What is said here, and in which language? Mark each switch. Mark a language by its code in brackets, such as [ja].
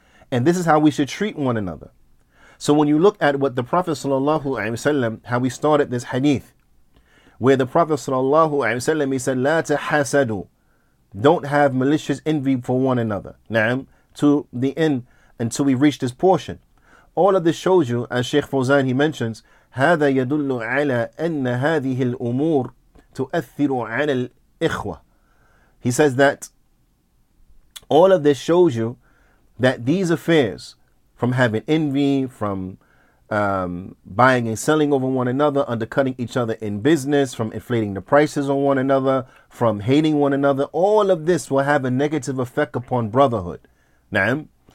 [en] And this is how we should treat one another. So when you look at what the Prophet sallallahu alaihi wasallam, how we started this hadith, where the Prophet sallallahu alaihi wasallam, he said, [ar] لا تحسدوا, [en] don't have malicious envy for one another. Na'am, to the end, until we reach this portion. All of this shows you, as Sheikh Fawzan, he mentions, [ar] هذا يدل على أن هذه الأمور تؤثر على الإخوة. [en] He says that all of this shows you that these affairs, from having envy, from buying and selling over one another, undercutting each other in business, from inflating the prices on one another, from hating one another, all of this will have a negative effect upon brotherhood. Na'am.